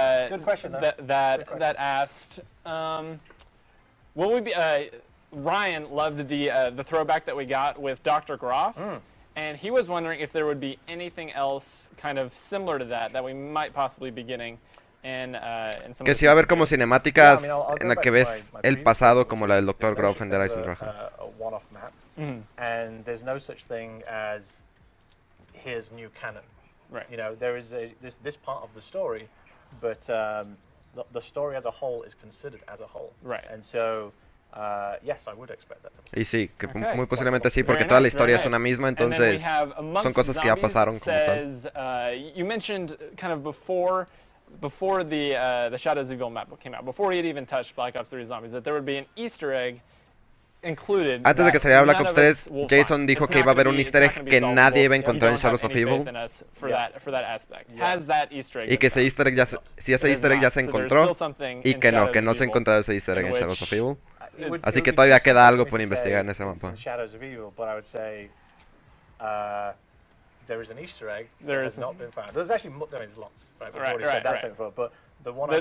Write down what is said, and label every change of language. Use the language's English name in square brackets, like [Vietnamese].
[English] Good question, though. That asked, will we be, Ryan loved the throwback that we got with Dr. Groff. Mm. And he was wondering if there would be anything else kind of similar to that we might possibly be getting. [Spanish] Que si va a haber como cinemáticas en la que ves el pasado como la del Dr. Groff en Rise of Raja. [English] And there's no such thing as his new canon. Right. You know, there is this part of the story, but the story as a whole is considered as a whole. Right. And so yes, I would expect that. [Spanish] Y sí, que muy posiblemente sí, porque toda la historia es una misma, entonces son cosas que ya pasaron como tal. [English] You mentioned kind of before the Shadows of Evil map came out, before he had even touched Black Ops 3 Zombies, that there would be an Easter egg included. [Spanish] Antes de que saliera Black Ops 3, Jason dijo que iba a haber un Easter egg que nadie iba a encontrar en Shadows of Evil. [English] For that aspect. Yeah. Has that Easter egg [Spanish] y que ese Easter egg ya se encontró, y que no, que no se ha encontrado ese Easter egg en Shadows of Evil. Así que todavía queda algo por investigar en ese mapa. [English] There is an Easter egg that has not been found. There's actually, lots, right? We've already said that thing before, but the one